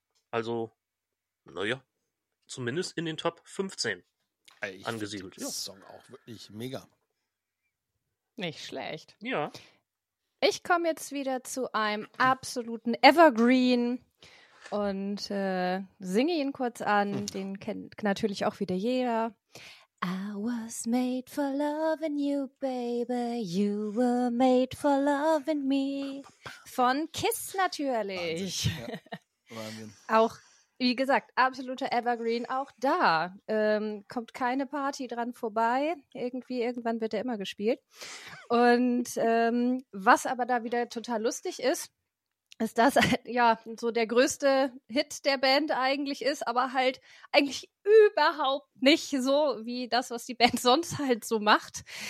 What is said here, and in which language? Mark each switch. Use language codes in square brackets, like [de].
[de] Also, naja, zumindest in den Top 15 angesiedelt. Ich finde den Song auch wirklich mega. Nicht schlecht. Ja. Ich komme jetzt wieder zu einem absoluten Evergreen und singe ihn kurz an. Den kennt natürlich auch wieder jeder. [en] I was made for loving you, baby. You were made for loving me. [de] Von Kiss natürlich. Wahnsinn. Ja. Auch, wie gesagt, absoluter Evergreen. Auch da kommt keine Party dran vorbei. Irgendwann wird er immer gespielt. Und was aber da wieder total lustig ist, ist, dass ja so der größte Hit der Band eigentlich ist, aber halt eigentlich überhaupt nicht so wie das, was die Band sonst halt so macht.